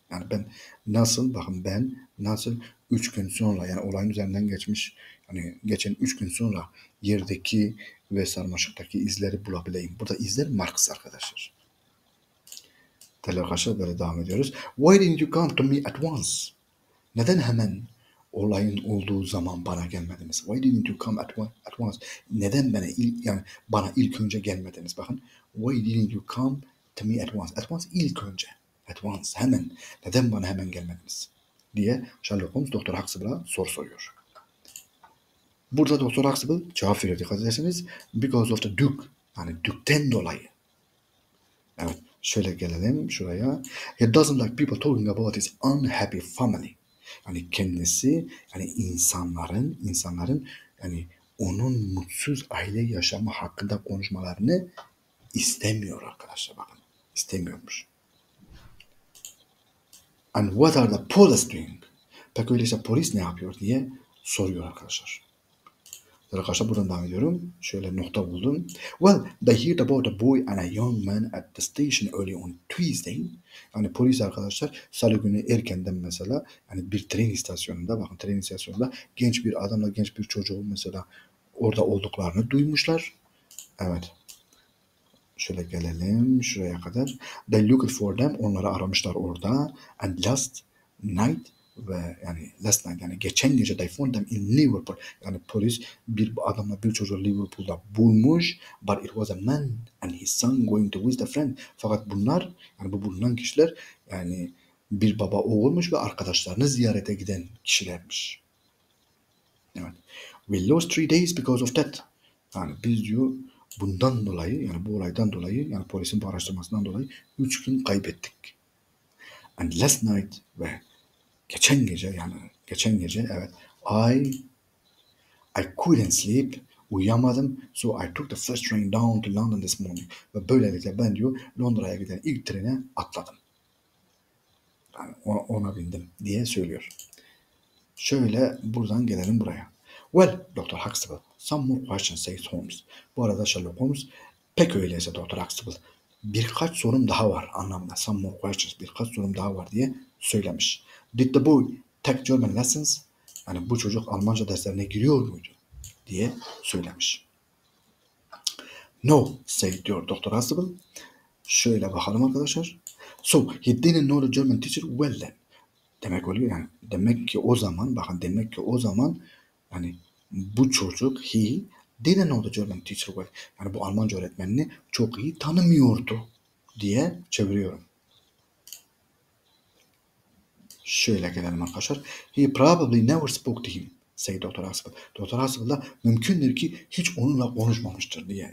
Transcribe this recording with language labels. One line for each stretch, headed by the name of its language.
Turkish: Yani ben nasıl, bakın ben nasıl 3 gün sonra, yani olayın üzerinden geçmiş, yani geçen 3 gün sonra yerdeki ve sarmaşıktaki izleri bulabileyim. Burada izler Marks arkadaşlar. Değerli arkadaşlar, böyle devam ediyoruz.
English: Why didn't you come to me at once?
Turkish: Neden hemen olayın olduğu zaman bana gelmediniz?
English: Why didn't you come at once?
Turkish: Neden bana ilk önce gelmediniz?
English: Bakın, why didn't you come to me at once? At once,
Turkish: ilk önce.
English: At once, hemen.
Turkish: Neden bana hemen gelmediniz? Diye Sherlock Holmes Dr. Huxtable'a soru soruyor. Burada Dr. Huxtable cevap veriyor, dikkat ederseniz.
English: Because of the Duke.
Turkish: Yani Duke'ten dolayı. Evet. Şöyle gelelim şuraya.
English: He doesn't like people talking about his unhappy family.
Turkish: Yani kendisi, yani insanların yani onun mutsuz aile yaşamı hakkında konuşmalarını istemiyor arkadaşlar. Bakın. İstemiyormuş.
English: And what are the police doing?
Turkish: Peki öyleyse polis ne yapıyor diye soruyor arkadaşlar. Arkadaşlar buradan devam ediyorum. Şöyle nokta buldum.
English: Well, they heard about a boy and a young man at the station early on Tuesday.
Turkish: Yani polis arkadaşlar salı günü erkenden mesela, yani bir tren istasyonunda, bakın tren istasyonunda genç bir adamla genç bir çocuğu mesela orada olduklarını duymuşlar. Evet. Şöyle gelelim şuraya kadar.
English: They looked for them.
Turkish: Onları aramışlar orada.
English: And last night, ve yani last night,
Turkish: yani geçen gece,
English: they found them in Liverpool.
Turkish: Yani polis bir adamla bir çocuğu Liverpool'da bulmuş.
English: But it was a man and his son going to visit a friend.
Turkish: Fakat bunlar, yani bu bulunan kişiler, yani bir baba oğulmuş ve arkadaşlarını ziyarete giden kişilermiş. Evet.
English: We lost 3 days because of that.
Turkish: Yani biz diyor bundan dolayı, yani bu olaydan dolayı, yani polisin bu araştırmasından dolayı 3 gün kaybettik.
English: And last night,
Turkish: ve geçen gece, yani geçen gece, evet,
English: I couldn't sleep, uyuyamadım, so I took the first train down to London this morning.
Turkish: Ve böylelikle ben diyor Londra'ya giden ilk trene atladım. Yani ona bindim diye söylüyor. Şöyle buradan gelelim buraya. Well, Dr.
English: Huxtable, some more questions, says Holmes.
Turkish: Bu arada Sherlock Holmes, pek öyleyse
English: Dr.
Turkish: Huxtable, birkaç sorum daha var anlamında.
English: Some more questions,
Turkish: birkaç sorum daha var diye söylemiş.
English: Did the boy take German lessons?
Turkish: Yani bu çocuk Almanca derslerine giriyor muydu diye söylemiş. No, says diyor Dr. Huxtable. Şöyle bakalım arkadaşlar.
English: So, he didn't know the German teacher well then.
Turkish: Demek oluyor yani. Demek ki o zaman, bakın demek ki o zaman, yani bu çocuk,
English: he didn't know the German teacher well.
Turkish: Yani bu Almanca öğretmenini çok iyi tanımıyordu diye çeviriyorum. Şöyle gelelim arkadaşlar.
English: He probably never spoke to him, say Dr. Aspel. Dr.
Turkish: Aspel'da mümkündür ki hiç onunla konuşmamıştır diye.